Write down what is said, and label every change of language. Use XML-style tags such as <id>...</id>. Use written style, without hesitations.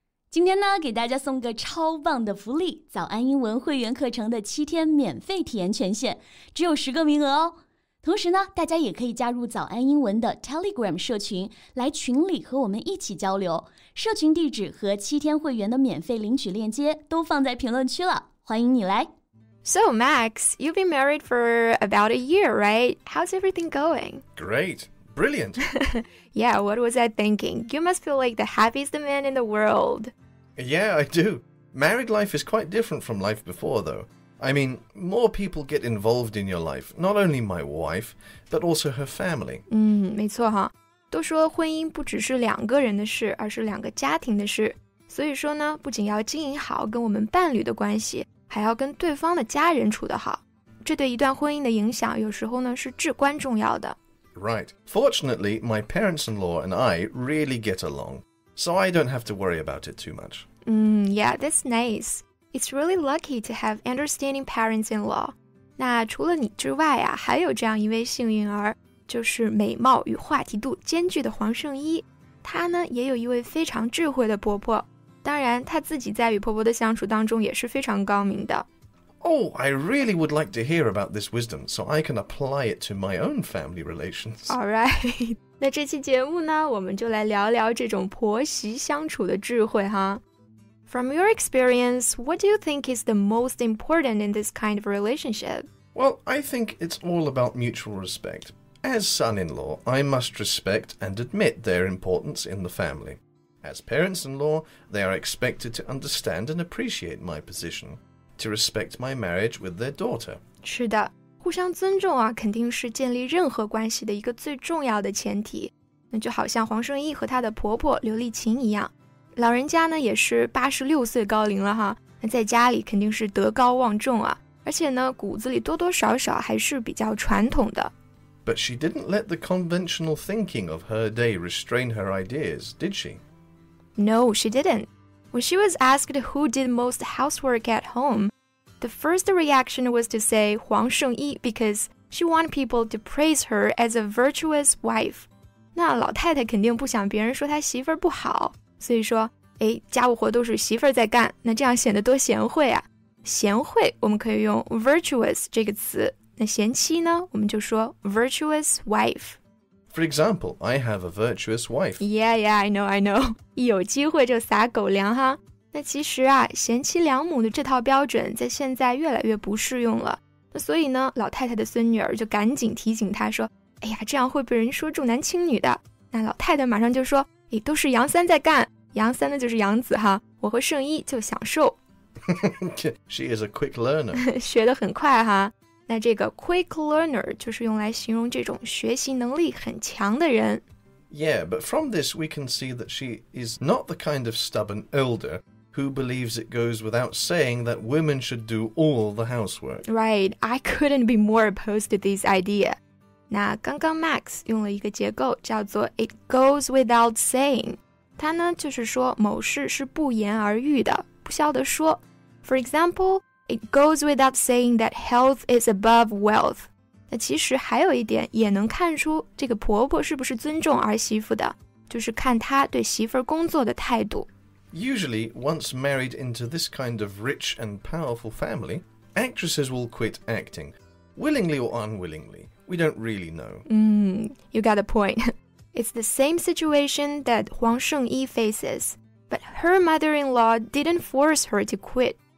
<zh>今天呢，给大家送个超棒的福利，早安英文会员课程的七天免费体验权限，只有十个名额哦。同时呢，大家也可以加入早安英文的 Telegram 社群，来群里和我们一起交流。社群地址和七天会员的免费领取链接都放在评论区了，欢迎你来。</zh> <en>So, Max, you've been married for about a year, right? How's everything going? Great. Brilliant. Yeah, what was I thinking? You must feel like the happiest man in the world. Yeah, I do. Married life is quite different from life before, though. I mean, more people get involved in your life. Not only my wife, but also her family.</en> <zh>没错哈。都说婚姻不只是两个人的事，而是两个家庭的事。所以说呢，不仅要经营好跟我们伴侣的关系，还要跟对方的家人处得好，这对一段婚姻的影响有时候呢是至关重要的。</zh> <en>Right. Fortunately, my parents-in-law and I really get along, so I don't have to worry about it too much. Yeah, that's nice. It's really lucky to have understanding parents-in-law.</en> <zh>那除了你之外啊，还有这样一位幸运儿，就是美貌与话题度兼具的黄圣依。她呢也有一位非常智慧的婆婆。当然她自己在与婆婆的相处当中也是非常高明的。</zh> <en>Oh, I really would like to hear about this wisdom so I can apply it to my own family relations. All right.</en> <zh>那这期节目呢，我们就来聊聊这种婆媳相处的智慧哈。</zh> <en>From your experience, what do you think is the most important in this kind of relationship? Well, I think it's all about mutual respect. As son-in-law, I must respect and admit their importance in the family. As parents-in-law, they are expected to understand and appreciate my position, to respect my marriage with their daughter.</en> <zh>是的，互相尊重啊，肯定是建立任何关系的一个最重要的前提。那就好像黄圣依和她的婆婆刘丽琴一样，老人家呢也是86岁高龄了哈，那在家里肯定是德高望重啊，而且呢骨子里多多少少还是比较传统的。</zh> <en>But she didn't let the conventional thinking of her day restrain her ideas, did she? No, she didn't. When she was asked who did most housework at home, the first reaction was to say Huang Shengyi because she wanted people to praise her as a virtuous wife.</en> <zh>那老太太肯定不想别人说她媳妇儿不好，所以说，哎，家务活都是媳妇儿在干，那这样显得多贤惠啊。贤惠我们可以用 virtuous 这个词，那贤妻呢，我们就说 virtuous wife.</zh> <en>For example, I have a virtuous wife. Yeah, I know.</en> <zh>一有机会就撒狗粮哈。那其实啊，贤妻良母的这套标准在现在越来越不适用了。那所以呢，老太太的孙女儿就赶紧提醒她说，哎呀，这样会被人说重男轻女的。那老太太马上就说，哎，都是杨三在干。杨三呢就是杨子哈，我和圣依就享受。</zh> <en>She is a quick learner.</en> <zh>学得很快哈。那这个 quick learner 就是用来形容这种学习能力很强的人。</zh> <en>Yeah, but from this we can see that she is not the kind of stubborn elder who believes it goes without saying that women should do all the housework. Right, I couldn't be more opposed to this idea.</en> <zh>那刚刚 Max 用了一个结构叫做</zh> <en>it goes without saying.</en> <zh>它呢就是说某事是不言而喻的，不消得说。</zh> <en>For example,It goes without saying that health is above wealth.</en> <zh>那其实还有一点也能看出这个婆婆是不是尊重儿媳妇的，就是看她对媳妇工作的态度。</zh> <en>Usually, once married into this kind of rich and powerful family, actresses will quit acting, willingly or unwillingly. We don't really know. You got a point. It's the same situation that Huang Shengyi faces, but her mother-in-law didn't force her to quit.</en>